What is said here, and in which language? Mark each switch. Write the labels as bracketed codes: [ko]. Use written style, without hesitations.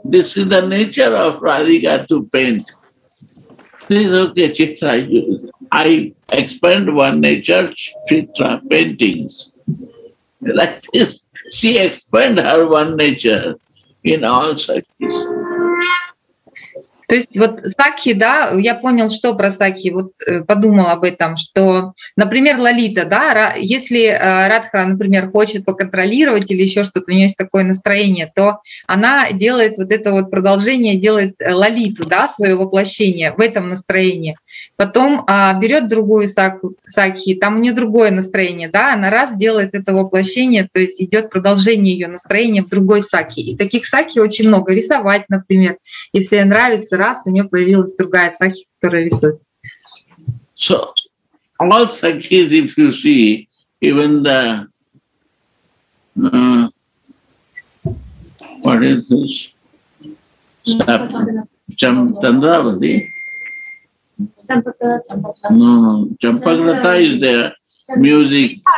[en] This is the nature of Radhika to paint. She says, okay, Chitra, I expand one nature, Chitra, paintings. Like this, she expand her one nature in all sakhis. [ru] То есть вот сакхи, да, я понял, что про сакхи, вот подумал об этом, что, например, Лолита, да, если Радха, например, хочет поконтролировать или еще что-то, у нее есть такое настроение, то она делает вот это вот продолжение, делает Лолиту, да, свое воплощение в этом настроении. Потом берет другую сакхи, там у нее другое настроение, да, она раз делает это воплощение, то есть идет продолжение ее настроения в другой сакхи. И таких сакхи очень много. Рисовать, например, если ей нравится, раз у нее появилась другая сакхи, которая рисует. [en] So all sakhis, if you see, even the what is this? Champakrata. No, no, Champakrata is there. Music.